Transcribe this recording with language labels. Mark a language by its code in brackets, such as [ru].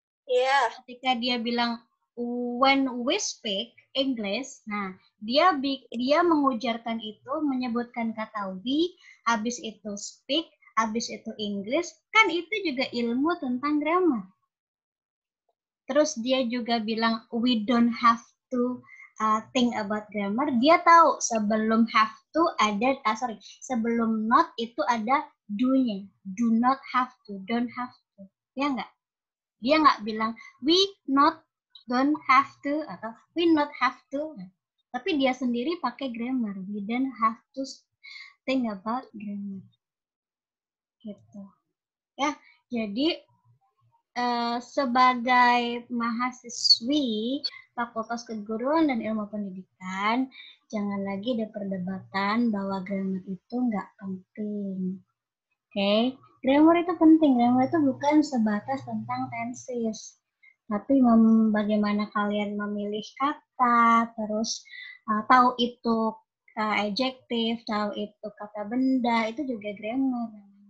[id] Iya. Yeah. Ketika dia bilang [en] when we speak English, [id] nah dia mengujarkan itu, menyebutkan kata we, habis itu speak, habis itu English, kan itu juga ilmu tentang grammar. Terus dia juga bilang [en] we don't have to think about grammar. [id] Dia tahu sebelum have to ada, sebelum not itu ada do-nya, [en] do not have to, don't have to, [id] ya nggak? Dia nggak bilang [en] we not don't have to [id] atau [en] we not have to, [id] tapi dia sendiri pakai grammar, [en] we don't have to think about grammar, [id] gitu. Ya, jadi sebagai mahasiswi Fakultas Keguruan dan Ilmu Pendidikan, jangan lagi ada perdebatan bahwa grammar itu nggak penting. Oke, okay. Grammar itu penting. Grammar itu bukan sebatas tentang tenses, tapi bagaimana kalian memilih kata, terus tahu itu adjective, tahu itu kata benda, itu juga grammar.